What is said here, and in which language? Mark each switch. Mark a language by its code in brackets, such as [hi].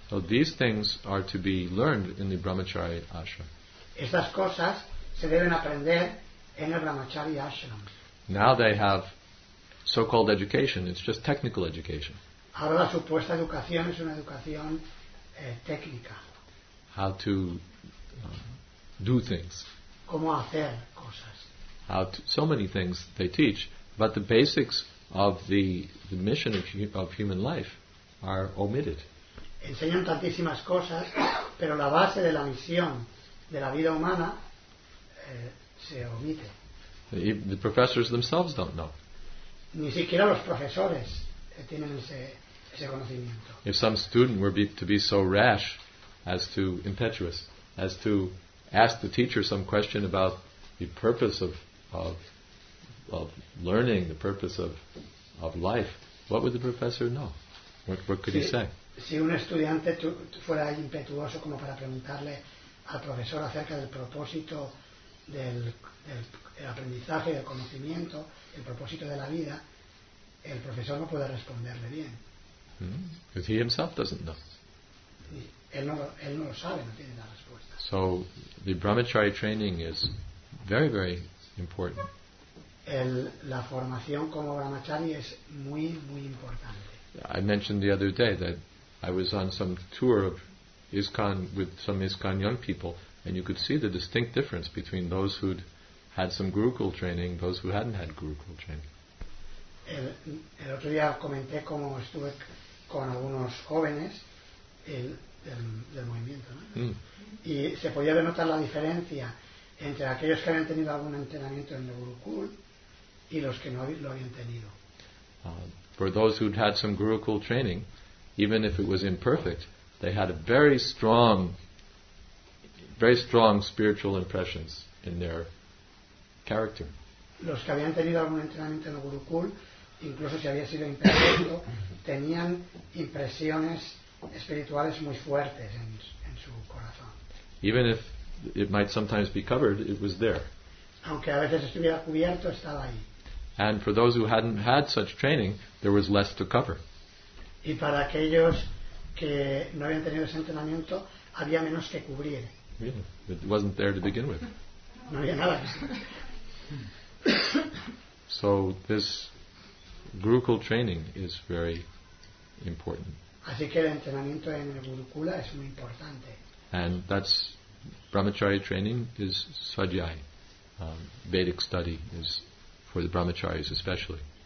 [en] So these things are to be learned in the Brahmachari Ashram. [es] Estas cosas se deben aprender en el Brahmachari Ashram. [en] Now they have so-called education. It's just technical education. [es] Ahora la supuesta educación es una educación técnica. [en] How to do things. [es] Cómo hacer cosas. [en] How to, so many things they teach, but the basics of the mission of human life are omitted. [es] Enseñan tantísimas cosas, pero la base de la misión de la vida humana se omite. [en] The professors themselves don't know. [es] Ni siquiera los profesores tienen ese. [en] If some student were to be so rash as to impetuous as to ask the teacher some question about the purpose of learning, the purpose of life, what would the professor know? What could he say? [es] Si un estudiante fuera impetuoso como para preguntarle al profesor acerca del propósito del aprendizaje, del conocimiento, el propósito de la vida, el profesor no puede responderle bien. [en] Because he himself doesn't know. [es] Él no lo sabe, no tiene la respuesta. [en] So the brahmachari training is very, very important. [es] La formación como brahmachari es muy, muy importante. [en] I mentioned the other day that I was on some tour of ISKCON with some ISKCON young people, and you could see the distinct difference between those who'd had some Gurukul training, those who hadn't had Gurukul training. [es] El otro día comenté cómo estuve con algunos jóvenes del movimiento, ¿no? Y se podía denotar la diferencia entre aquellos que habían tenido algún entrenamiento en el Gurukul y los que no lo habían tenido. [en] For those who'd had some Gurukul training, even if it was imperfect, they had a very strong spiritual impressions in their character. [es] Los que habían tenido algún entrenamiento en el Gurukul, incluso si había sido imperfecto, tenían impresiones espirituales muy fuertes en su corazón. [en] Even if it might sometimes be covered, it was there. [es] Aunque a veces estuviera cubierto, estaba ahí. [en] And for those who hadn't had such training, there was less to cover. [es] Y para aquellos que no habían tenido ese entrenamiento, había menos que cubrir. [en] Yeah, it wasn't there to begin with. [es] No había nada. [en] So this Gurukul training is very important. [es] Así que el entrenamiento en el Gurukula es muy importante. [en] And that's brahmachari training is swadhyay. Vedic study is for the brahmacharis especially.